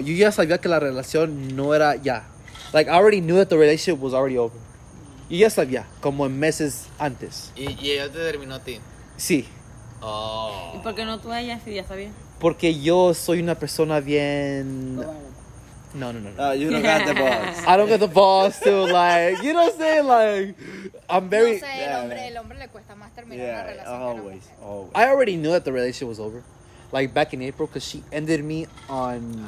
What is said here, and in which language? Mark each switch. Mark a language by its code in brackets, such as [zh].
[es] Yo ya sabía que la relación no era ya. [en] Like, I already knew that the relationship was already over. [es] Yo ya sabía, como en meses antes. ¿Y ella te terminó a ti? Sí. Oh. ¿Y por qué no tú a ella si ya sabía? Porque yo soy una persona bien... No. [en] You don't got the balls. I don't got the balls to, like, you know what I'm saying? Like, I'm very... [es] No sé, el hombre le cuesta más terminar una relación. [en] Always. I already knew that the relationship was over. like back in April, because she ended me on